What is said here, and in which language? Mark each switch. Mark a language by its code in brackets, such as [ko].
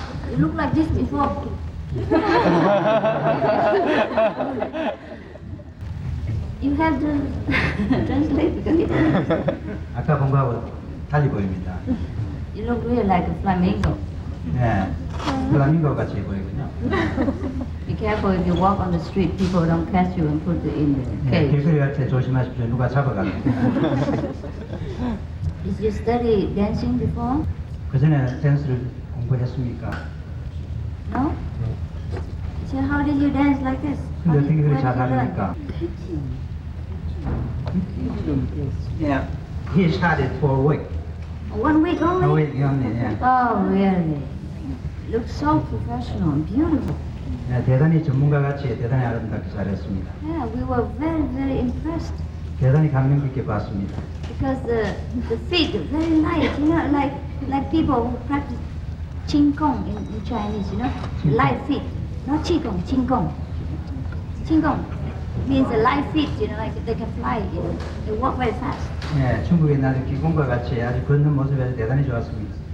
[en] You look like this before. You have to translate. [ko] 아까 본 거하고 달리 보입니다. [en] You look really like a flamingo. [ko] Yeah. Flamingo 같이 보이군요. [en] Be careful if you walk on the street. People don't catch you and put you in the cage. [ko] 길거리한테 조심하십시오. 누가 잡아가면. [en] Did you study dancing before? [ko] 그 전에 댄스를 공부했습니까? [en] No. So how did you dance like this? [ko] 근데 등기를 잘 하니까. [en] Yeah. He started for a week. One week only? A week only, yeah. Oh, really? Looks so professional and beautiful. [ko] 네, 대단히 전문가같이 대단히 아름답게 잘했습니다. [en] Yeah, we were very, very impressed. [ko] 대단히 감명 깊게 봤습니다. [en] Because the feet are very light, you know, like people who practice qing gong in Chinese, you know? Light feet, not qi gong, qing gong. Qing gong means a light feet, you know, like they can fly, you know? They walk very fast. [ko] 네, 중국의 나도 기공과 같이 아주 걷는 모습이 아주 대단히 좋았습니다.